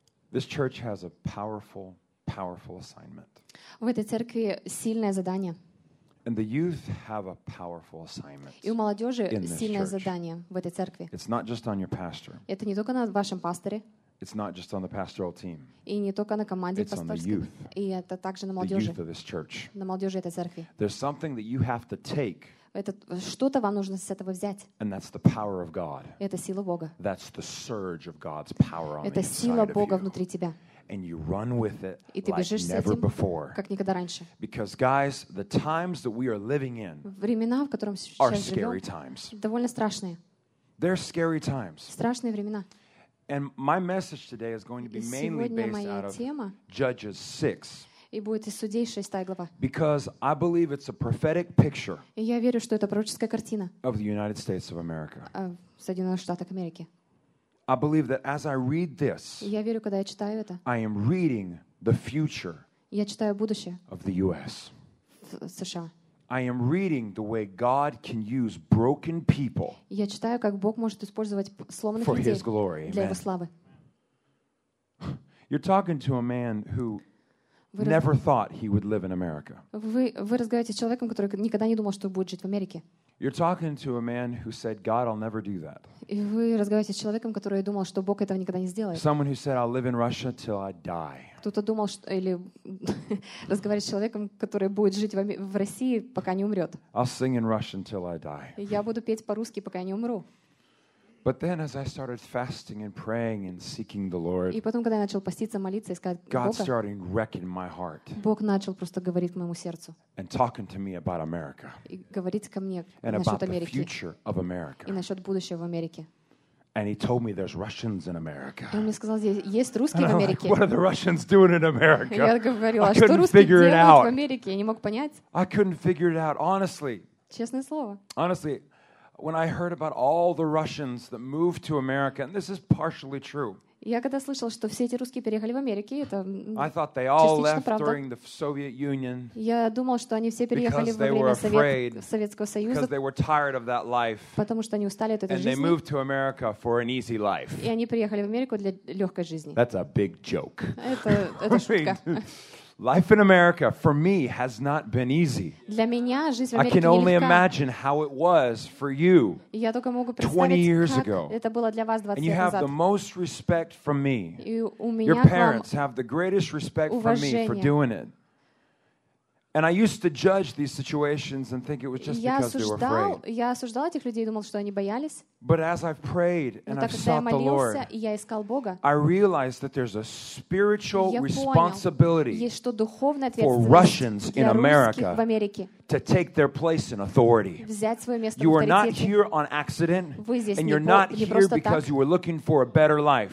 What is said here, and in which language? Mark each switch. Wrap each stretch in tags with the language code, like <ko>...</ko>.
<en>This church has a powerful assignment.</en> <ru>В этой церкви сильное задание.</ru> <en>And the youth have a powerful assignment.</en> <ru>И у молодежи сильное задание в этой церкви.</ru> <en>It's not just on your pastor.</en> <ru>Это не только на вашем пасторе.</ru> <en>It's not just on the pastoral team.</en> <ru>И не только на команде пасторской.</ru> <en>It's on the youth.</en> <ru>И это также на молодежи.</ru> <en>The youth of this church.</en> <ru>На молодежи этой церкви.</ru> <en>There's something that you have to take.</en> <ru>Это что-то вам нужно с этого взять.</ru> <en>And that's the power of God.</en> <ru>Это сила Бога.</ru> <en>That's the surge of God's power on the inside of you.</en> <ru>Это сила Бога внутри тебя.</ru> <en>And you run with it like never before.</en> <ru>Как никогда раньше.</ru> <en>Because guys, the times that we are living in</en> <ru>времена, в котором</ru> <en>are scary times.</en> <ru>Довольно страшные.</ru> <en>They're scary times.</en> <ru>Страшные времена.</ru> <en>And my message today is going to be mainly based out of Judges 6.</en> <ru>И будет из Судей 6 глава.</ru> <en>Because I believe it's a prophetic picture.</en> <ru>И я верю, что это пророческая картина.</ru> <en>Of the United States of America.</en> <ru>Соединенных Штатов Америки.</ru> <en>I believe that as I read this,</en> <ru>я верю, когда я читаю это,</ru> <en>I am reading the future</en> <ru>я читаю будущее</ru> <en>of the U.S.</en> <ru>США.</ru> <en>I am reading the way God can use broken people</en> <ru>я читаю, как Бог может использовать сломанных</ru> <en>for</en> <ru>людей</ru> <en>His glory.</en> <ru>Для</ru> <en>Amen.</en> <ru>Его славы.</ru> <en>You're talking to a man who never thought he would live in America.</en> <ru>Вы разговариваете с человеком, который никогда не думал, что будет жить в Америке.</ru> <en>You're talking to a man who said, "God, I'll never do that."</en> <ru>Вы разговариваете с человеком, который думал, что Бог этого никогда не сделает.</ru> <en>Someone who said, "I'll live in Russia till I die."</en> <ru>Кто-то думал, что или разговаривать с человеком, который будет жить в России, пока не умрет.</ru> <en>I'll sing in Russian till I die.</en> <ru>Я буду петь по-русски, пока не умру.</ru> <en>But then, as I started fasting and praying and seeking the Lord,</en> <ru>и потом, когда я начал поститься, молиться и искать Бога,</ru> <en>God started wrecking my heart.</en> <ru>Бог начал просто говорить к моему сердцу.</ru> <en>And talking to me about America.</en> <ru>И говорить ко мне насчет Америки.</ru> <en>And about the future of America.</en> <ru>И насчет будущего в Америке.</ru> <en>And he told me there's Russians in America.</en> <ru>Он мне сказал, есть русские в Америке.</ru> <en>What are the Russians doing in America?</en> <ru>Я говорила, что русские делают в Америке? Я не мог понять.</ru> <en>I couldn't figure it out, honestly.</en> <ru>Честное слово.</ru> <en>Honestly, when I heard about all the Russians that moved to America, and this is partially true.</en> <ru>Я когда слышал, что все эти русские переехали в Америку, это</ru> <en>I thought they all left during the Soviet Union.</en> <ru>Я думал, что они все переехали во время Советского Союза.</ru> <en>Because they were tired of that life.</en> <ru>Потому что они устали от этой жизни.</ru> <en>And they moved to America for an easy life.</en> <ru>И они приехали в Америку для легкой жизни.</ru> <en>That's a big joke.</en> <ru>Это шутка.</ru> <en>Life in America for me has not been easy.</en> <ru>Для меня жизнь в Америке нелегка.</ru> <en>I can only imagine how it was for you.</en> <ru>Я только могу представить. Это было для вас 20 лет назад.</ru> <en>And you have the most respect from me.</en> <ru>И у меня</ru> <en>Your parents have the greatest respect</en> <ru>уважение.</ru> <en>From me for doing it. And I used to judge these situations and think it was just because they were afraid.</en> <ru>Я осуждал этих людей, думал, что они боялись.</ru> <en>But as I've prayed and I've sought the Lord,</en> <ru>я искал Бога.</ru> <en>I realized that there's a spiritual responsibility for Russians in America to take their place in authority.</en> <ru>Взять свое место.</ru> <en>You are not here on accident, and you're not here because you were looking for a better life.</en>